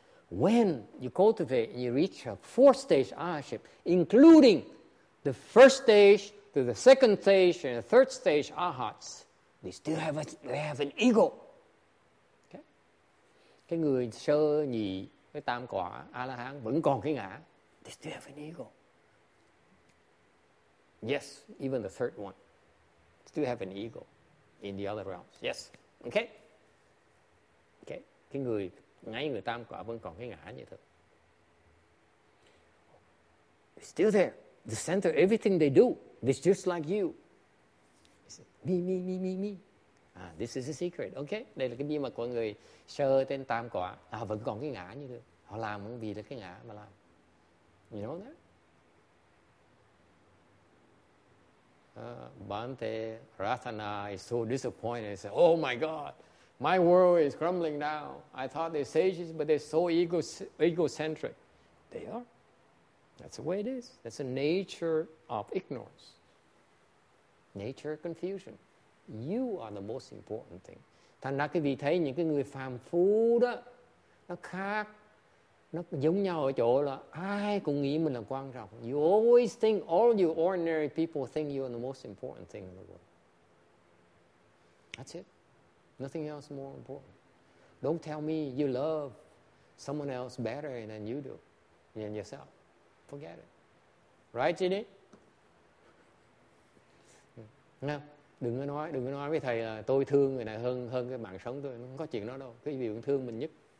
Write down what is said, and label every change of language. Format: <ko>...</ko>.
<en>When you cultivate and you reach a fourth stage ahaship, including the first stage to the second stage and the third stage ahats, they have an ego. Okay?</en> <vi>Cái người sơ nhị cái tam quả A-la-hán vẫn còn cái ngã.</vi> <en>They still have an ego. Yes, even the third one still have an ego in the other realms. Yes, okay?</en> <vi>Okay, cái người, ngay người tam quả vẫn còn cái ngã như thế.</vi> <en>It's still there. The center, everything they do, it's just like you. It's me, me, me, me, me. Ah, this is a secret, okay?</en> <vi>Đây là cái bí mật của người sơ tên tam quả. Họ vẫn còn cái ngã như thế. Họ làm vì là cái ngã mà làm.</vi> <en>You know that? Bhante Ratana is so disappointed. He said, oh my God, my world is crumbling down. I thought they're sages, but they're so egocentric. They are. That's the way it is. That's the nature of ignorance. Nature of confusion. You are the most important thing.</en> <vi>Thành ra cái vị thấy những cái người phàm phu đó, nó khác. Nó giống nhau ở chỗ là ai cũng nghĩ mình là quan trọng.</vi> <en>You always think, all you ordinary people think you are the most important thing in the world. That's it. Nothing else more important. Don't tell me you love someone else better than you do, than yourself. Forget it. Right, Jenny?</en> <vi>Now, đừng có nói với thầy là tôi thương người này hơn cái mạng sống tôi. Không có chuyện đó đâu. Cái gì cũng thương mình nhất.</vi>